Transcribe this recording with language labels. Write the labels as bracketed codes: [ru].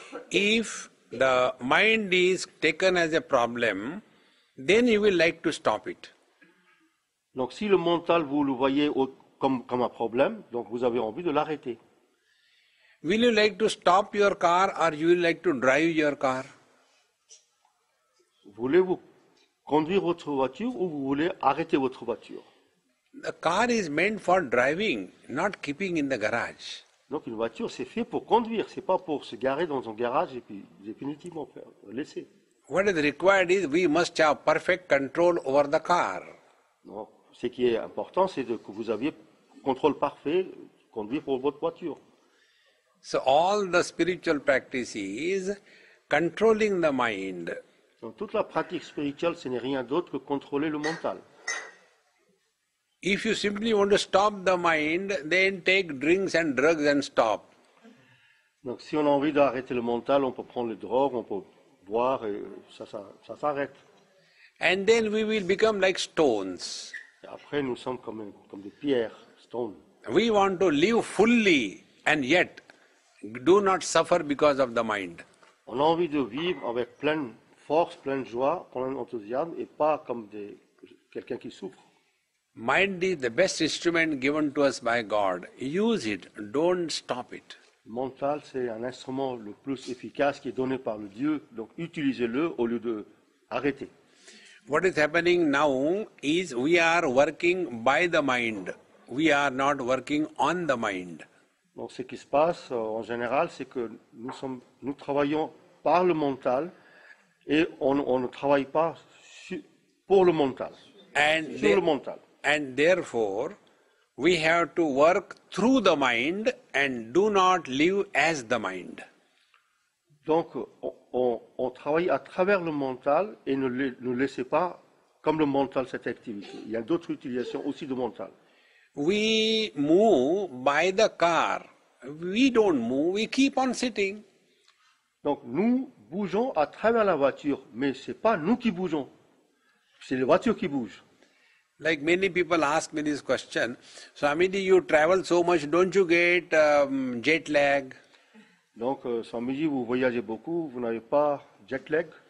[en] If the mind is taken as a problem, then you will like to stop it. [fr] Donc, si le mental, vous le voyez comme un problème, donc vous avez envie de l'arrêter. [en] Will you like to stop your car or you will like to drive your car? [fr] Voulez-vous conduire votre voiture ou vous voulez arrêter votre voiture? [en] The car is meant for driving, not keeping in the garage. [fr] Donc une voiture c'est fait pour conduire, c'est pas pour se garer dans un garage et puis définitivement laisser. [en] What is required is we must have perfect control over the car. [fr] Non, ce qui est important c'est que vous aviez contrôle parfait conduire pour votre voiture. [en] So all the spiritual practice is controlling the mind. [fr] Donc toute la pratique spirituelle ce n'est rien d'autre que contrôler le mental. [en] If you simply want to stop the mind, then take drinks and drugs and stop. [fr] Donc si on a envie d'arrêter le mental, on peut prendre les drogues, on peut boire et ça s'arrête. [en] And then we will become like stones. [fr] Et après nous sommes comme des pierres, stone. [en] We want to live fully and yet do not suffer because of the mind. [fr] On a envie de vivre avec pleine force, pleine joie, plein enthousiasme et pas comme quelqu'un qui souffre. [en] Mind is the best instrument given to us by God. Use it, don't stop it. [fr] Mental, c'est un instrument le plus efficace qui est donné par le Dieu, donc utilisez-le au lieu de arrêter. [en] What is happening now is we are working by the mind. We are not working on the mind. [fr] Donc ce qui se passe en général, c'est que nous travaillons par le mental et on ne travaille pas pour le mental. [en] And [fr] sur le mental. [en] And therefore, we have to work through the mind and do not live as the mind. [fr] Donc, on travaille à travers le mental et ne laissez pas comme le mental cette activité. Il y a d'autres utilisations aussi du mental. [en] We move by the car. We don't move. We keep on sitting. [fr] Donc, nous bougeons à travers la voiture, mais c'est pas nous qui bougeons. C'est la voiture qui bouge. [en] Like many people ask me this question, Swamiji, you travel so much, don't you get jet lag? [fr] Donc, Swamiji, vous voyagez beaucoup, vous n'avez pas jet lag?